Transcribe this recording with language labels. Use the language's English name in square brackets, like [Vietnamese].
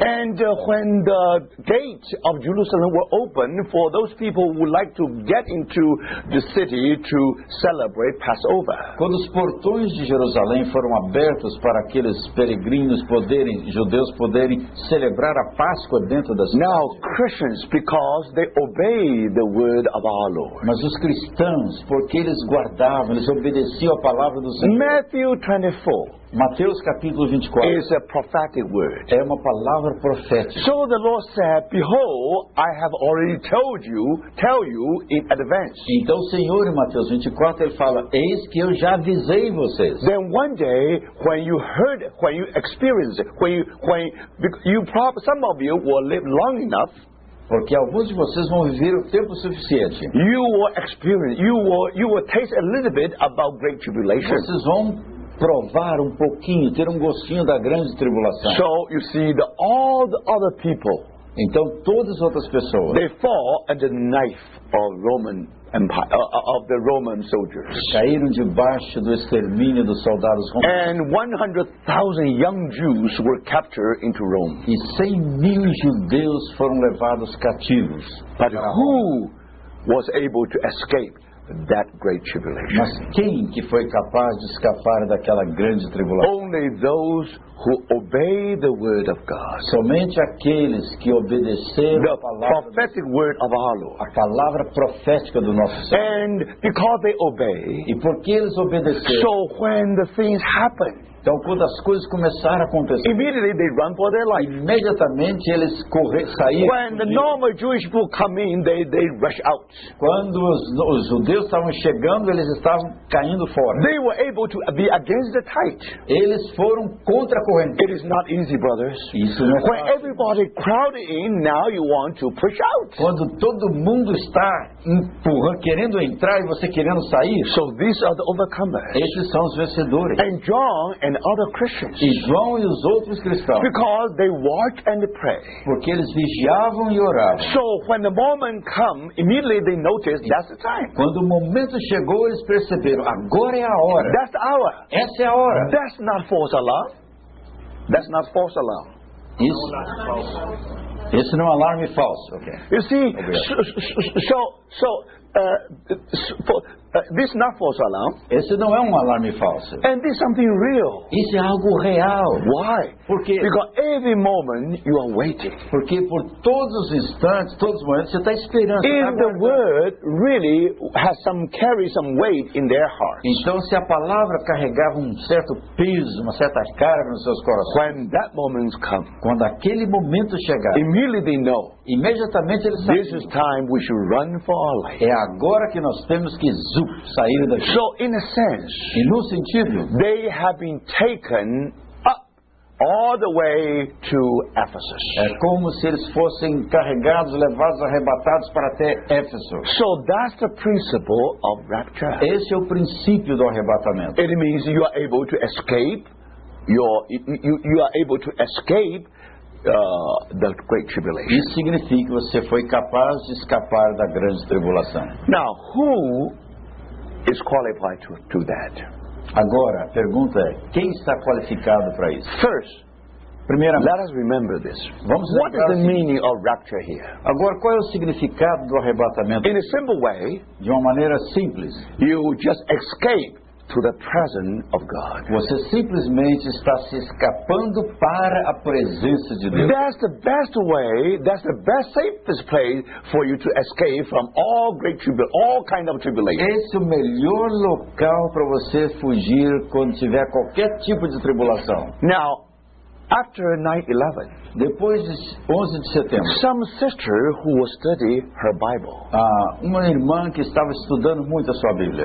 [English] And when the gates of Jerusalem were open for those people who would like to get into the city to celebrate Passover. [Portuguese] Quando os portões de Jerusalém foram abertos para aqueles peregrinos poderem, judeus poderem celebrar a Páscoa dentro da cidade. [English] Now Christians, because they obey the word of our Lord. [Portuguese] Mas os cristãos, porque eles guardavam, eles obedeciam a palavra do Senhor. [English] Matthew 24. [Portuguese] Mateus capítulo 24 [English] is a prophetic word. [Portuguese] É uma palavra profética. [English] So the Lord said, behold, I have already told you, tell you in advance. [Portuguese] Então o Senhor em Mateus 24 ele fala, eis que eu já avisei vocês. [English] Then one day when you heard it, when you experienced it, some of you will live long enough. [Portuguese] Porque alguns de vocês vão viver o tempo suficiente. [English] You will experience, you will taste a little bit about great tribulation. [Portuguese] Vocês vão provar um pouquinho, ter um gostinho da grande tribulação. [English] So you see the all the other people. [Portuguese] Então todas as outras pessoas. [English] They fall under the knife of Roman Empire, of the Roman soldiers. [Portuguese] Caíram debaixo do extermínio dos soldados romanos. [English] And 100,000 young Jews were captured into Rome. [Portuguese] E 100,000 judeus foram levados cativos. [English] But who was able to escape that great tribulation? [Portuguese] Mas quem que foi capaz de escapar daquela grande tribulação? [English] Only those who obey the word of God. [Portuguese] Somente aqueles que obedeceram [English] the [Portuguese] a palavra [English] prophetic word of our Lord. [Portuguese] A palavra profética do nosso Senhor. [English] And because they obey. [Portuguese] E porque eles obedeceram. [English] So when the things happen. [Portuguese] Então quando as coisas começaram a acontecer. [English] Immediately they run for their life. [Portuguese] Imediatamente eles correm, saíram. [English] When the normal Jewish people come in, they rush out. [Portuguese] Quando os judeus estavam chegando, eles estavam caindo fora. [English] They were able to be against the tide. [Portuguese] Eles foram contra a corrente. [English] It is not easy, brothers. [Portuguese] Isso não é fácil. [English] When everybody crowded in, now you want to push out. [Portuguese] Quando todo mundo está empurrando, querendo entrar e você querendo sair. [English] So these are the overcomers. [Portuguese] Esses são os vencedores. [English] And John and other Christians. [Portuguese] E João e os outros cristãos. [English] Because they watch and pray. [Portuguese] Porque eles vigiavam e oravam. [English] So when the moment come, immediately they noticed that's the time. [Portuguese] Quando o momento chegou, eles perceberam, agora é a hora. [English] That's the hour. [Portuguese] Essa é a hora. [English] That's not false alarm. That's not false alarm. [Portuguese] Isso não é alarme falso. Okay. [English] You see, this is not false alarm. [Portuguese] Esse não é um alarme falso. [English] And this is something real. [Portuguese] Isso é algo real. [English] Why? [Portuguese] Porque [English] because every moment you are waiting. [Portuguese] Porque por todos os momentos você está esperando. [English] If the word really has carry some weight in their hearts. [Portuguese] Então se a palavra carregava certo peso, uma certa carga nos seus corações. [English] When that moment comes, [Portuguese] quando aquele momento chegar. [English] Immediately they know. [Portuguese] Imediatamente eles sabem. [English] This is time we should run for our life. [Portuguese] É agora que nós temos que sair daqui. [English] So in a sense, [Portuguese] e no sentido, [English] they have been taken up all the way to Ephesus. [Portuguese] É como se eles fossem carregados, levados, arrebatados para até Éfeso. [English] So that's the principle of rapture. [Portuguese] Esse é o princípio do arrebatamento. [English] It means you are able to escape. You are able to escape. The great tribulation. [Portuguese] Isso significa que você foi capaz de escapar da grande tribulação. [English] Now, who is qualified to that? [Portuguese] Agora, a pergunta é, quem está qualificado para isso? [English] First, [Portuguese] primeiramente, [English] let us remember this. [Portuguese] Vamos [English] what is the meaning of rapture here? [Portuguese] Agora, qual é o significado do arrebatamento? [English] In a simple way, [Portuguese] de uma maneira simples, [English] you just escape to the presence of God. [Portuguese] Você simplesmente está se escapando para a presença de Deus. [English] That's the best way, that's the best safest place for you to escape from all great tribulation, all kind of tribulation. [Portuguese] Esse é o melhor local para você fugir quando tiver qualquer tipo de tribulação. [English] Now, after 9/11, [Portuguese] depois de 11 de setembro, [English] some sister who was studying her Bible, [Portuguese] uma irmã que estava estudando muito a sua Bíblia,